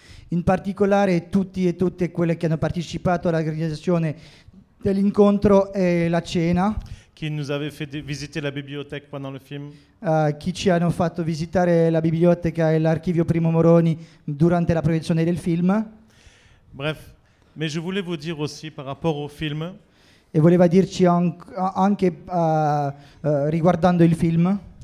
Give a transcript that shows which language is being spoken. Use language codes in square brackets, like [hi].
[it] In particolare tutti e tutte quelle che hanno partecipato all'organizzazione dell'incontro e la cena. [fr] Qui nous avez fait visiter la bibliothèque pendant le film. [it] Chi ci hanno fatto visitare la biblioteca e l'archivio Primo Moroni durante la proiezione del film. [fr] Bref. Mais je voulais vous dire aussi par rapport au film. [it] E voleva dirci anche riguardando il film.